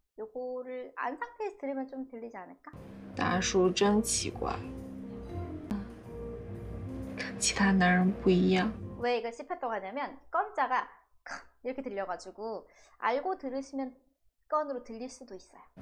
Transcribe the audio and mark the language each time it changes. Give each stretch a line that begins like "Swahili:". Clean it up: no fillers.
Korean: 요거를 안 상태에서 들으면 좀 들리지 않을까?
Chinese: 大叔真奇怪。跟其他男人不一样。
Korean: 왜 이거 씹혔다고 하냐면 건자가 이렇게 들려가지고 알고 들으시면 건으로 들릴 수도 있어요.